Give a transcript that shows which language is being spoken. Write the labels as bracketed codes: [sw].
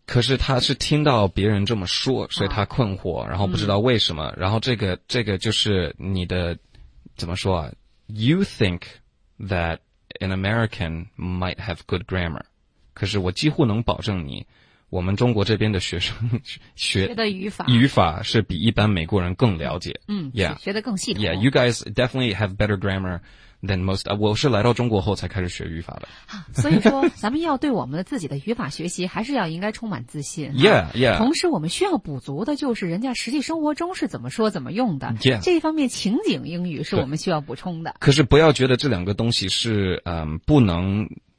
[zh] 可是他是听到别人这么说，所以他困惑、然后不知道为什么、然后这个就是你的怎么说啊 , [en] you think that an American might have good grammar, [zh] 可是我几乎能保证你我们中国这边的学生学的语法，语法是比一般美国人更了解。 [en] Yeah, [zh] 学的更系统。 [en] Yeah, you guys definitely have better grammar than most. [zh] 我是来到中国后才开始学语法的。所以说，咱们要对我们的自己的语法学习，还是要应该充满自信。 [en] Yeah, yeah. [zh] 同时，我们需要补足的就是人家实际生活中是怎么说、怎么用的。 [en] Yeah. [zh] 这一方面，情景英语是我们需要补充的。可是，不要觉得这两个东西是不能。